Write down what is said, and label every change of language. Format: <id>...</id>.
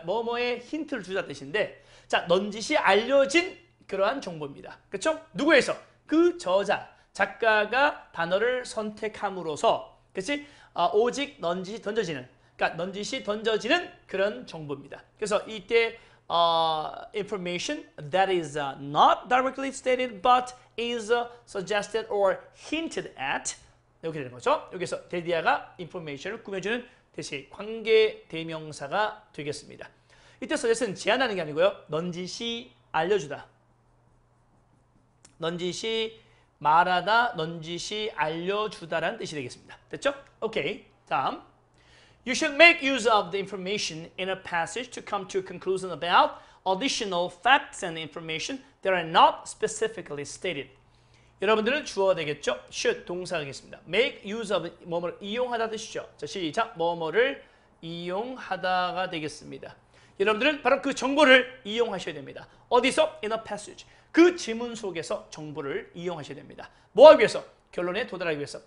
<ko>뭐뭐에 힌트를 주다 뜻인데, 자, 넌지시 알려진 그러한 정보입니다. 그쵸? 누구에서? 그 저자, 작가가 단어를 선택함으로써, 그치? 오직 넌지시 던져지는, 그러니까 넌지시 던져지는 그런 정보입니다. 그래서 이때,</ko> <en>information that is not directly stated but is suggested or hinted at.</en> <ko>이렇게 되는 거죠. 여기서 대디아가 information을 꾸며주는 대신 관계 대명사가 되겠습니다. 이때 suggest는 제안하는 게 아니고요. 넌지시 알려주다. 넌지시 말하다, 넌지시 알려주다라는 뜻이 되겠습니다. 됐죠? 오케이. 다음.</ko> <en>You should make use of the information in a passage to come to a conclusion about additional facts and information that are not specifically stated.</en> <ko>여러분들은 주어가 되겠죠? Should 동사가 되겠습니다. Make use of 뭐뭐를 이용하다 뜻이죠. 자, 시작. 뭐뭐를 이용하다가 되겠습니다. 여러분들은 바로 그 정보를 이용하셔야 됩니다. 어디서?</ko> <en>In a passage.</en> <ko>그 지문 속에서 정보를 이용하셔야 됩니다. 뭐 하기 위해서? 결론에 도달하기 위해서.</ko>